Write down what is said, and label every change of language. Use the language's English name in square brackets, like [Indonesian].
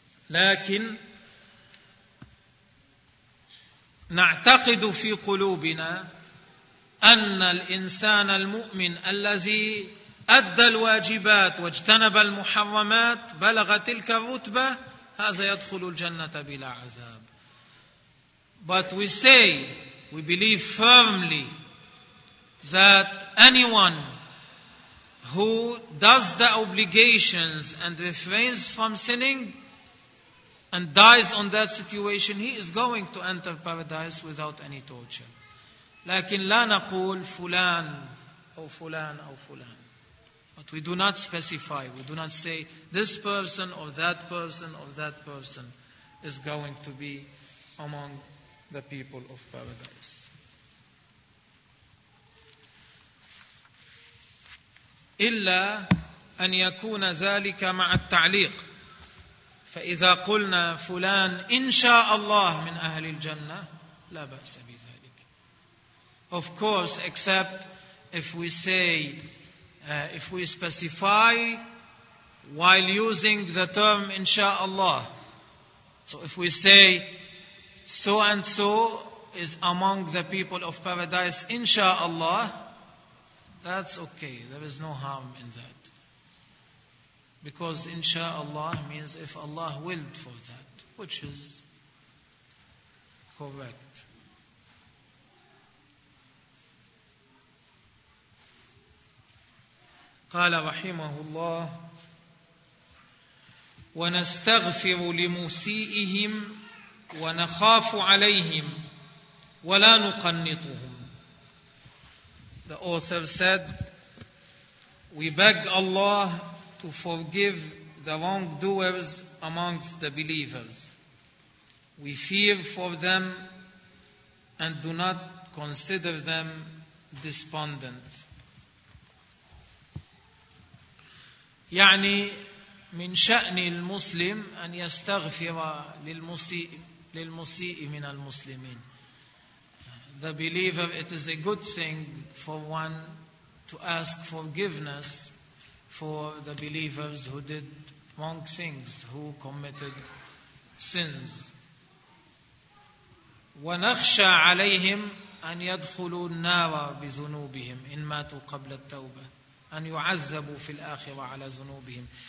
[Arabic] لكن نعتقد في قلوبنا أن الإنسان المؤمن الذي أدى الواجبات واجتنب المحرمات بلغ تلك الرتبة هذا يدخل الجنة بلا عذاب. [English] But we say, we believe firmly that anyone who does the obligations and refrains from sinning and dies on that situation, he is going to enter paradise without any torture. [Arabic] لكن لا نقول فلان أو فلان أو فلان. [English] But we do not specify, we do not say this person or that person or that person is going to be among the people of paradise. [Arabic] إلا أن يكون ذلك مع التعليق. فإذا قلنا فلان إن شاء الله من أهل الجنة لا بأس بذلك. [English] Of course, except if we say, if we specify while using the term إن شاء الله. So if we say so and so is among the people of paradise إن شاء الله, that's okay. There is no harm in that. Because insha'Allah means if Allah willed for that, which is correct. [Arabic] قال رحمه الله ونستغفر لمسيئهم ونخاف عليهم ولا نقنطهم. [English] The author said, we beg Allah to forgive the wrongdoers amongst the believers. We fear for them and do not consider them despondent. [Arabic] يعني من شأن المسلم أن يستغفر للمسيء من المسلمين. [English] The believer, it is a good thing for one to ask forgiveness for the believers who did wrong things, who committed sins. [Arabic] وَنَخْشَى عَلَيْهِمْ أَنْ يَدْخُلُوا النَّارَ بِذُنُوبِهِمْ إِنْ مَاتُوا قَبْلَ التَّوْبَةِ أَنْ يُعَذَّبُوا فِي الْآخِرَةِ عَلَى ذُنُوبِهِمْ.